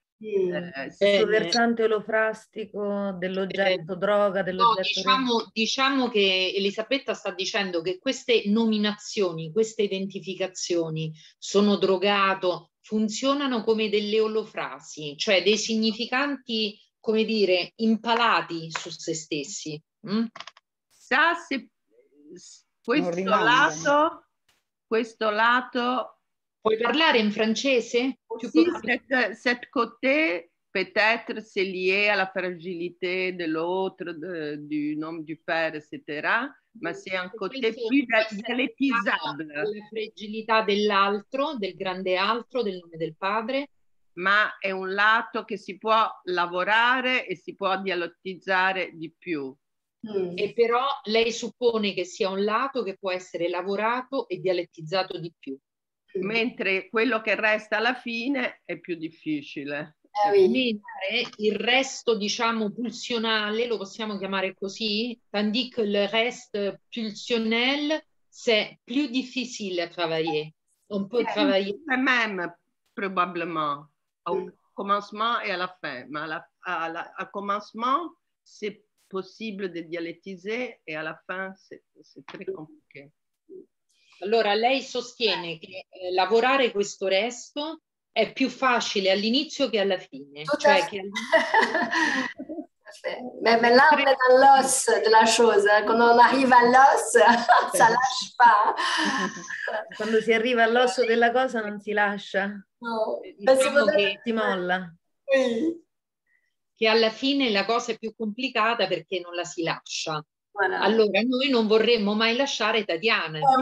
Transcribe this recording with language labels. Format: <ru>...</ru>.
<it>Questo versante holophrastico dell'oggetto droga, dell'oggetto. No, diciamo che Elisabetta sta dicendo che queste nominazioni, queste identificazioni sono drogato, funzionano come delle olofrasi, cioè dei significanti. Come dire, impalati su se stessi. Sa se questo lato, questo lato. Puoi parlare in francese?</it> <fr>Cet côté peut-être c'est lié à la fragilité de l'autre, du nom du père, etc. Ma c'est un côté</fr> <it>più dialettizzabile. La fragilità dell'altro, del grande altro, del nome del padre. Ma è un lato che si può lavorare e si può dialettizzare di più. E però lei suppone che sia un lato che può essere lavorato e dialettizzato di più. Mentre quello che resta alla fine è più difficile. Mentre il resto, diciamo, pulsionale, lo possiamo chiamare così?</it> <fr>Tandis que le reste pulsionnel, c'est plus difficile à travailler. On peut travailler. Même, probablement. Au commencement et à la fin, mais au commencement, c'est possible de dialettiser et à la fin, c'est très compliqué.</fr> <it>Allora, lei sostiene che lavorare questo resto è più facile all'inizio che alla fine. Cioè che all'inizio...</it> <fr>Mais là, on est dans l'os de la chose. Quando on arrive à l'os, ça lâche pas.</fr> <it>Quando si arriva all'osso della cosa, non si lascia. No, diciamo che ti molla. Che alla fine la cosa è più complicata perché non la si lascia. Voilà. Allora, noi non vorremmo mai lasciare Tatiana.</it>